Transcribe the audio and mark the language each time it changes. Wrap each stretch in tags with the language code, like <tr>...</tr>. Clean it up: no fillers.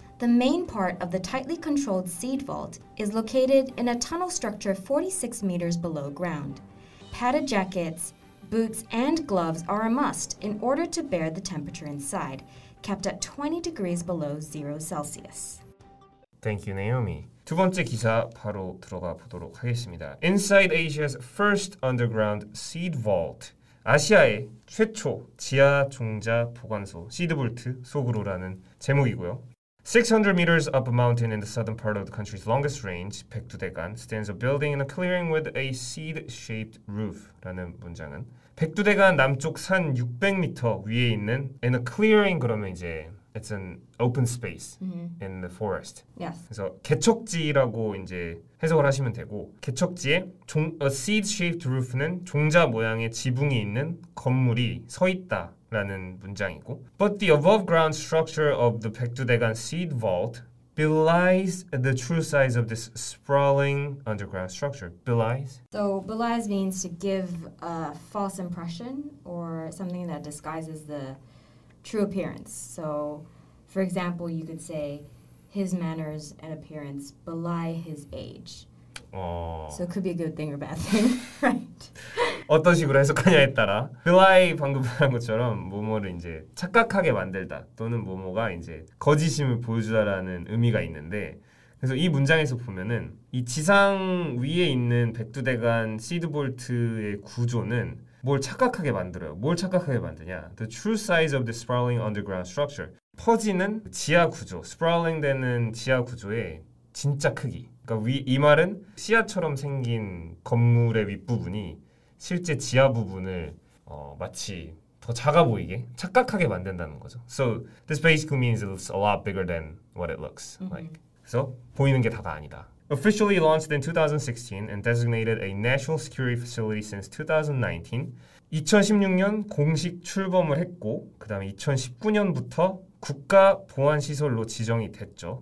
<en>The main part of the tightly controlled seed vault is located in a tunnel structure 46 meters below ground. Padded jackets, boots, and gloves are a must in order to bear the temperature inside, kept at 20 degrees below 0 Celsius. Thank you, Naomi.</en> <ko>두 번째 기사 바로 들어가 보도록 하겠습니다.</ko> <en>Inside Asia's first underground seed vault.</en> <ko>아시아의 최초 지하 종자 보관소, 시드볼트 속으로라는 제목이고요.</ko> <en>600 meters up a mountain in the southern part of the country's longest range, 백두대간, stands a building in a clearing with a seed-shaped roof.</en> <ko>라는 문장은 백두대간 남쪽 산 600m 위에 있는</ko> <en>in a clearing,</en> <ko>그러면 이제</ko> <en>it's an open space mm-hmm. in the forest. Yes.</en> <ko>그래서 개척지라고 이제 해석을 하시면 되고 개척지에 종,</ko> <en>a seed-shaped roof</en> <ko>는 종자 모양의 지붕이 있는 건물이 서 있다. 라는 문장이고</ko> <en>But the above ground structure of the Paekdudaegan seed vault belies the true size of this sprawling underground structure. Belies? So belies means to give a false impression or something that disguises the true appearance. So for example, you could say his manners and appearance belie his age. So it could be a good thing or bad thing, right?</en> <ko>어떤 식으로 해석하냐에 따라 빌라이 방금 말한 것처럼 모모를 이제 착각하게 만들다 또는 모모가 이제 거짓임을 보여주다라는 의미가 있는데 그래서 이 문장에서 보면은 이 지상 위에 있는 백두대간 시드볼트의 구조는 뭘 착각하게 만들어요. 뭘 착각하게 만드냐</ko> <en>The true size of the sprawling underground structure</en> <ko>퍼지는 지하 구조 sprawling 되는 지하 구조의 진짜 크기 그러니까 위, 이 말은 씨앗처럼 생긴 건물의 윗부분이 실제 지하 부분을 어, 마치 더 작아 보이게 착각하게 만든다는 거죠.</ko> <en>So this basically means it's a lot bigger than what it looks mm-hmm. like.</en> <ko>그래서 보이는 게 다가 아니다.</ko> <en>Officially launched in 2016 and designated a national security facility since 2019.</en> <ko>2016년 공식 출범을 했고 그 다음에 2019년부터 국가 보안 시설로 지정이 됐죠.</ko>